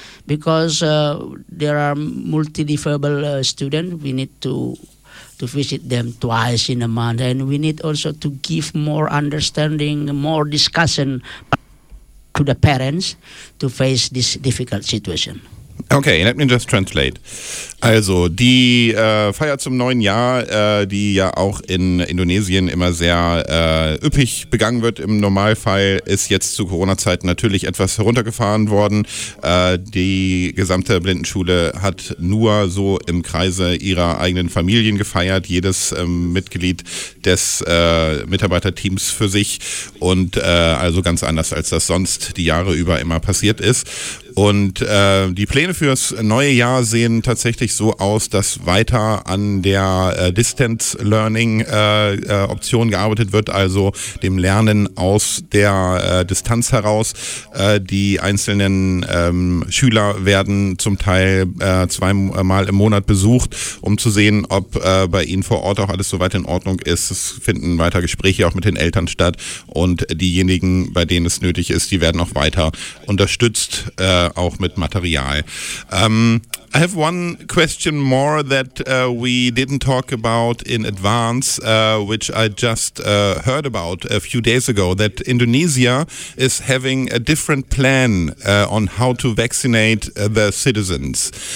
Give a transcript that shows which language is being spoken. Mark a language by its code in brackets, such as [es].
[en] Because there are multi-differable students, we need to visit them twice in a month. And we need also to give more understanding, more discussion to the parents to face this difficult situation. Okay, let me just translate. [de] Also, die Feier zum neuen Jahr, die ja auch in Indonesien immer sehr üppig begangen wird im Normalfall, ist jetzt zu Corona-Zeiten natürlich etwas heruntergefahren worden. Die gesamte Blindenschule hat nur so im Kreise ihrer eigenen Familien gefeiert, jedes Mitglied des Mitarbeiterteams für sich und also ganz anders, als das sonst die Jahre über immer passiert ist. Und die Pläne fürs neue Jahr sehen tatsächlich so aus, dass weiter an der Distance Learning Option gearbeitet wird, also dem Lernen aus der Distanz heraus. Die einzelnen Schüler werden zum Teil zweimal im Monat besucht, um zu sehen, ob bei ihnen vor Ort auch alles soweit in Ordnung ist. Es finden weiter Gespräche auch mit den Eltern statt und diejenigen, bei denen es nötig ist, die werden auch weiter unterstützt, auch mit Material. [en] I have one question more that we didn't talk about in advance, which I just heard about a few days ago, that Indonesia is having a different plan on how to vaccinate the citizens.